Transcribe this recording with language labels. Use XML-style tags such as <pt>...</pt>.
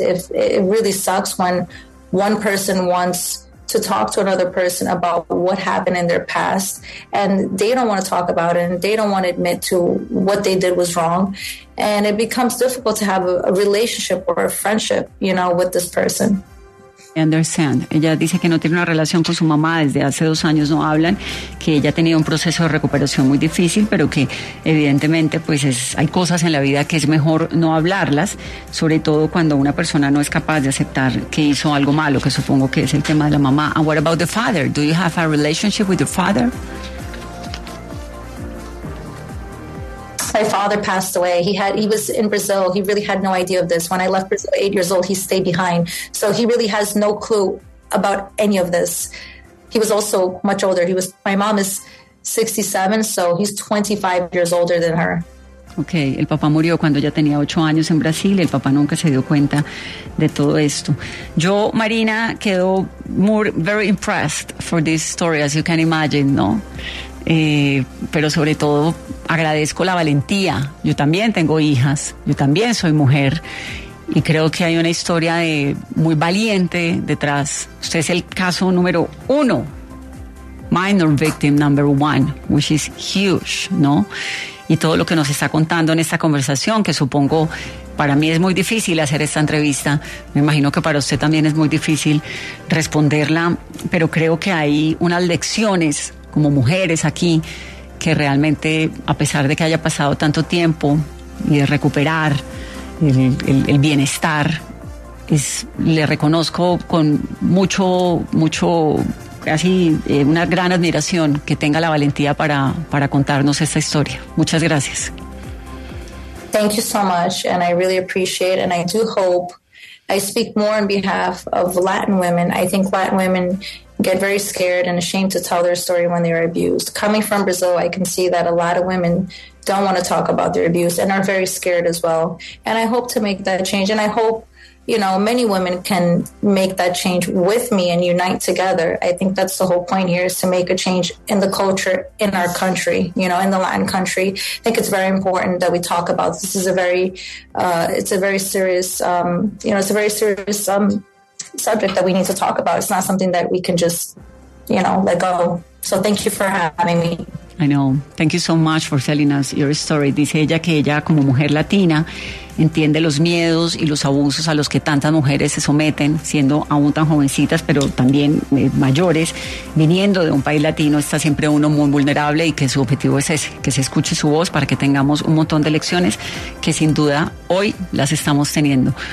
<en>If it really sucks when one person wants to talk to another person about what happened in their past, and they don't want to talk about it, and they don't want to admit to what they did was wrong, and it becomes difficult to have a relationship or a friendship, you know, with this person. I understand.</en> <es>Ella dice que no tiene una relación con su mamá desde hace 2 años, no hablan, que ella ha tenido un proceso de recuperación muy difícil, pero que evidentemente pues hay cosas en la vida que es mejor no hablarlas, sobre todo cuando una persona no es capaz de aceptar que hizo algo malo, que supongo que es el tema de la mamá.</es> <en>And what about the father? Do you have a relationship with your father? My father passed away. He was in Brazil. He really had no idea of this. When I left Brazil 8 years old, he stayed behind. So he really has no clue about any of this. He was also much older. My mom is 67, so he's 25 years older than her.</en> <es>Okay, el papá murió cuando ya tenía 8 años en Brasil, y el papá nunca se dio cuenta de todo esto. Yo, Marina, quedo</es> <en>very impressed for this story, as you can imagine,</en> <es>¿no? Pero sobre todo agradezco la valentía. Yo también tengo hijas, yo también soy mujer, y creo que hay una historia de muy valiente detrás. Usted es el caso número uno,</es> <en>minor victim number one, which is huge,</en> <es>¿no? Y todo lo que nos está contando en esta conversación, que supongo para mí es muy difícil hacer esta entrevista, me imagino que para usted también es muy difícil responderla, pero creo que hay unas lecciones como mujeres aquí, que realmente, a pesar de que haya pasado tanto tiempo y de recuperar el bienestar, le reconozco con mucho, mucho, casi una gran admiración que tenga la valentía para contarnos esta historia. Muchas gracias.</es> <en>Thank you so much, and I really appreciate, and I do hope I speak more on behalf of Latin women. I think Latin women get very scared and ashamed to tell their story when they are abused. Coming from Brazil, I can see that a lot of women don't want to talk about their abuse and are very scared as well. And I hope to make that change. And I hope, you know, many women can make that change with me and unite together. I think that's the whole point here, is to make a change in the culture in our country, you know, in the Latin country. I think it's very important that we talk about this. This is a very, it's a very serious subject that we need to talk about. It's not something that we can just, you know, let go. So thank you for having me. I know. Thank you so much for telling us your story.</en> <es>Dice ella que ella, como mujer latina, entiende los miedos y los abusos a los que tantas mujeres se someten, siendo aún tan jovencitas, pero también mayores, viniendo de un país latino, está siempre uno muy vulnerable, y que su objetivo es ese, que se escuche su voz para que tengamos un montón de lecciones que sin duda hoy las estamos teniendo.</es>